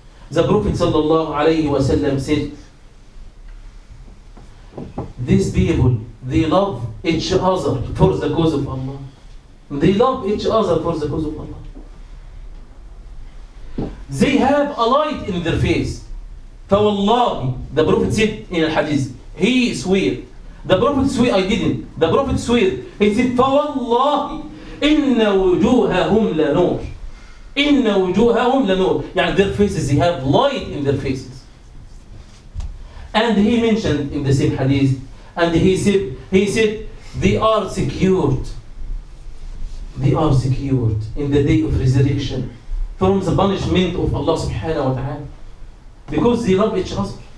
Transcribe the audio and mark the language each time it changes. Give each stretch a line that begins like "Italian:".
English: The Prophet sallallahu alayhi wa sallam said, these people, they love each other for the cause of Allah. They love each other for the cause of Allah. They have a light in their face. فوالله, the Prophet said in the Hadith, he swear. The Prophet swear, I didn't. The Prophet swear. He said,
Arabic: فوالله, إِنَّ وُجُوهَهُمْ لَنُورِ إِنَّ وُجُوهَهُمْ لَنُورِ.
English: Yeah, their faces, they have light in their faces. And he mentioned in the same Hadith, and he said, they are secured in the day of resurrection from the punishment of Allah subhanahu wa ta'ala. Because they love each other.